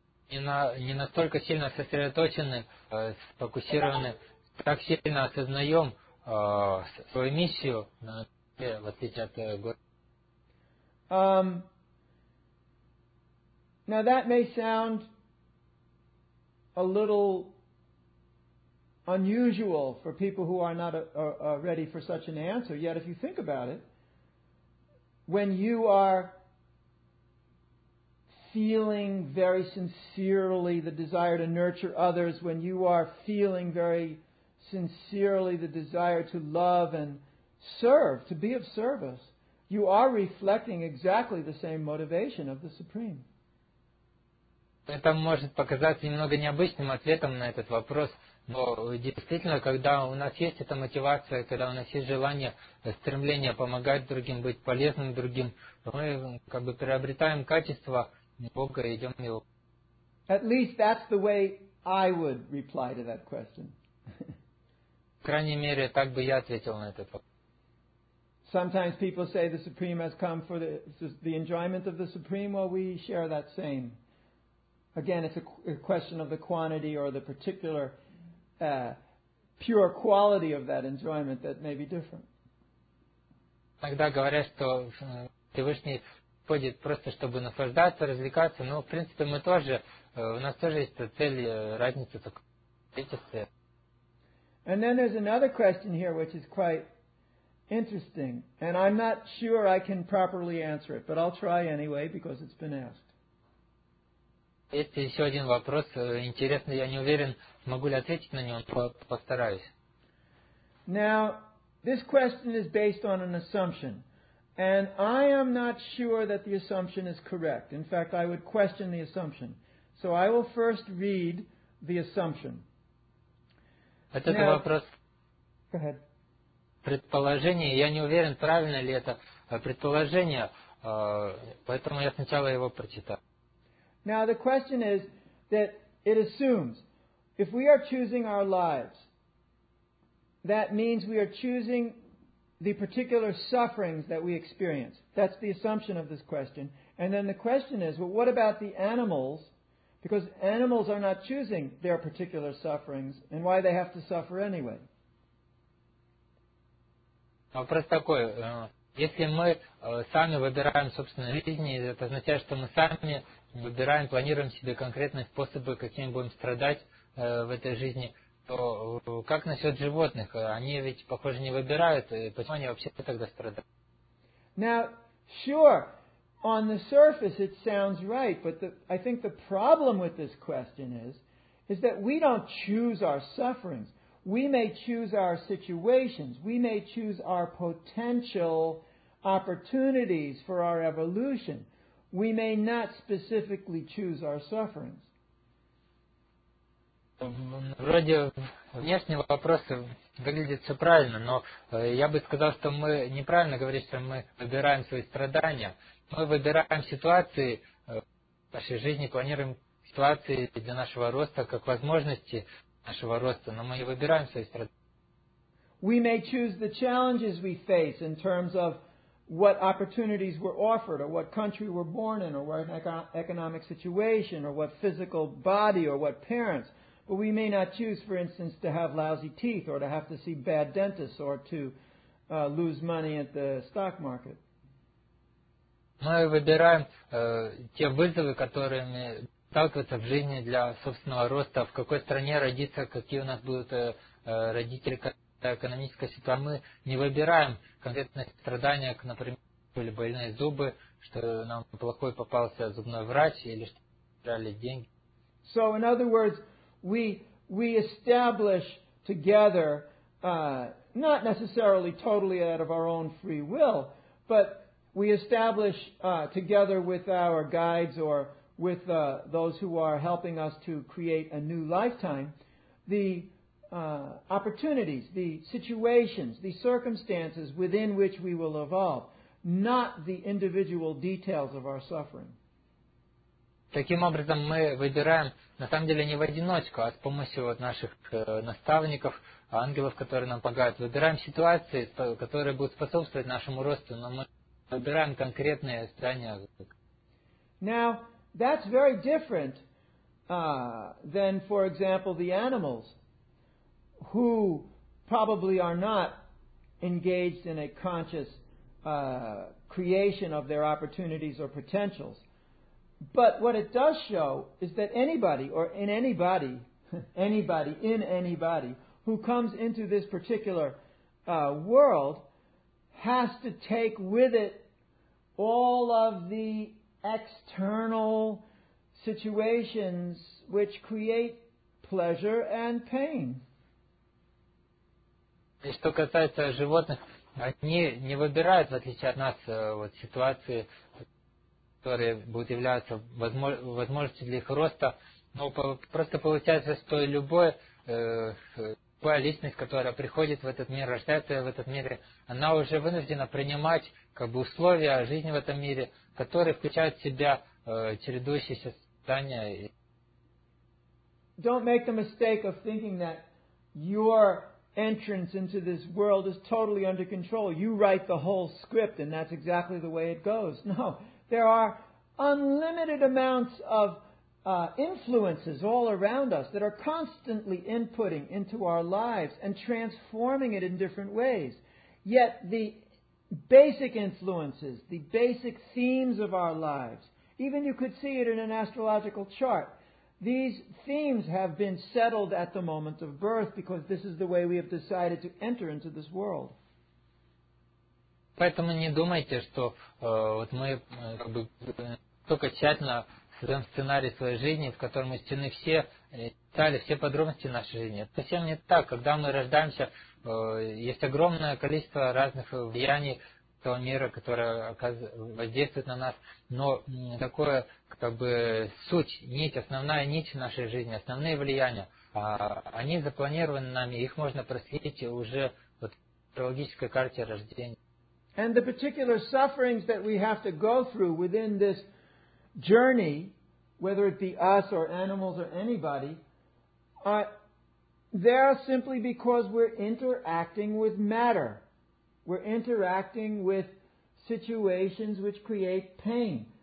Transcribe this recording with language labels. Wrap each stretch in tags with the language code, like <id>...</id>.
<ru>Не настолько сильно сосредоточены, сфокусированы, так сильно осознаем свою миссию, в отличие от города.</ru> <en>Now that may sound a little unusual for people who are not ready for such an answer, yet if you think about it, when you are feeling very sincerely the desire to nurture others, when you are feeling very sincerely the desire to love and serve, to be of service, you are reflecting exactly the same motivation of the Supreme.</en> <ru>Это может показаться немного необычным ответом на этот вопрос, но действительно, когда у нас есть эта мотивация, когда у нас есть желание, стремление помогать другим, быть полезным другим, мы как бы приобретаем качество Бога и идем его.</ru> <en>At least that's the way I would reply to that question.</en> <ru>По крайней мере, так бы я ответил на этот вопрос.</ru> <en>Sometimes people say the Supreme has come for the enjoyment of the Supreme, or we share that same. Again, it's a question of the quantity or the particular pure quality of that enjoyment that may be different.</en> <ru>Иногда говорят, что Всевышний приходит просто, чтобы наслаждаться, развлекаться, но, в принципе, мы тоже, у нас тоже есть цель, разница только в количестве.</ru> <en>And then there's another question here, which is quite interesting, and I'm not sure I can properly answer it, but I'll try anyway, because it's been asked.</en> <ru>Есть еще один вопрос, интересный, я не уверен, могу ли ответить на него, но постараюсь.</ru> <en>Now, this question is based on an assumption, and I am not sure that the assumption is correct. In fact, I would question the assumption. So I will first read the assumption.</en> <ru>Это</ru> <en>now,</en> <ru>вопрос.</ru> <en>Go ahead.</en> <ru>Предположение, я не уверен, правильно ли это предположение, поэтому я сначала его прочитаю.</ru> <en>Now the question is that it assumes if we are choosing our lives, that means we are choosing the particular sufferings that we experience. That's the assumption of this question. And then the question is, well, what about the animals? Because animals are not choosing their particular sufferings and why they have to suffer anyway.</en> <ru>Вопрос такой. Если мы сами выбираем собственные жизни, это означает, что мы сами выбираем, планируем себе конкретные способы, какими будем страдать в этой жизни, то как насчет животных? Они ведь, похоже, не выбирают, и почему они вообще тогда страдают?</ru> <en>Now, sure, on the surface it sounds right, but I think the problem with this question is that we don't choose our sufferings. We may choose our situations. We may choose our potential opportunities for our evolution. We may not specifically choose our sufferings.</en> <ru>Вроде внешние вопросы выглядят все правильно, но я бы сказал, что мы неправильно говорим, что мы выбираем свои страдания. мы выбираем ситуации в нашей жизни, планируем ситуации для нашего роста, как возможности нашего роста, но мы не выбираем свои страдания.</ru> <en>What opportunities were offered, or what country we're born in, or what economic situation, or what physical body, or what parents. But we may not choose, for instance, to have lousy teeth, or to have to see bad dentists, or to lose money at the stock market.</en> <ru>Мы выбираем те вызовы, которыми сталкиваться в жизни для собственного роста, в какой стране родиться, какие у нас будут родители, экономическая ситуация. Мы не выбираем конкретные страдания, как, например, были больные зубы, что нам плохой попался зубной врач, или что брали деньги.</ru> <en>So, in other words, we establish together, not necessarily totally out of our own free will, but we establish together with our guides or with those who are helping us to create a new lifetime, the opportunities, the situations, the circumstances within which we will evolve, not the individual details of our suffering.</en> <ru>Таким образом, мы выбираем, на самом деле, не в одиночку, а с помощью вот наших наставников, ангелов, которые нам помогают. Выбираем ситуации, которые будут способствовать нашему росту, но мы выбираем конкретные страдания.</ru> <en>Now, that's very different than, for example, the animals, who probably are not engaged in a conscious creation of their opportunities or potentials. But what it does show is that anybody, or in anybody, anybody, in anybody, who comes into this particular world has to take with it all of the external situations which create pleasure and pain.</en> <ru>И что касается животных, они не выбирают, в отличие от нас, вот, ситуации, которые будут являться возможностью для их роста, но просто получается, что любая личность, которая приходит в этот мир, рождается в этом мире, она уже вынуждена принимать как бы условия жизни в этом мире, которые включают в себя чередующиеся страдания.</ru> <en>Don't make the mistake of thinking that your entrance into this world is totally under control. You write the whole script and that's exactly the way it goes. No, there are unlimited amounts of influences all around us that are constantly inputting into our lives and transforming it in different ways. Yet the basic influences, the basic themes of our lives, even you could see it in an astrological chart, these themes have been settled at the moment of birth because this is the way we have decided to enter into this world.</en> <ru>Поэтому не думайте, что вот мы как бы только тщательно создаем сценарий своей жизни, в котором исчислены все детали, все подробности нашей жизни. Это совсем не так. Когда мы рождаемся, есть огромное количество разных влияний того мира, которое воздействует на нас, но такое, как бы, суть, нить, основная нить нашей жизни, основные влияния, они запланированы нами, их можно проследить уже в астрологической карте рождения.</ru> <en>And the particular sufferings that we have to go through within this journey, whether it be us or animals or anybody, they are simply because we're interacting with matter. We're interacting with situations which create pain.</en>